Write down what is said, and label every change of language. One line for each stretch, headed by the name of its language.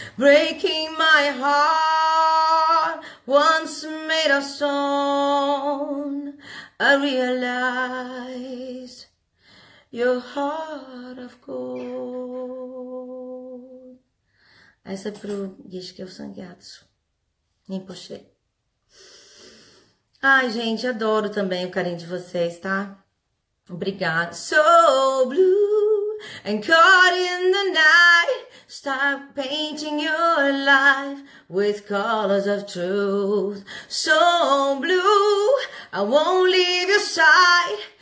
English: Breaking my heart, once made of stone, I realized your heart of gold.
Portuguese: Essa é pro diz que eu sanguiatsu. Nem puxei. Ai, gente, adoro também o carinho de vocês, tá? Obrigada.
English: So blue and caught in the night. Start painting your life with colors of truth. So blue, I won't leave your side.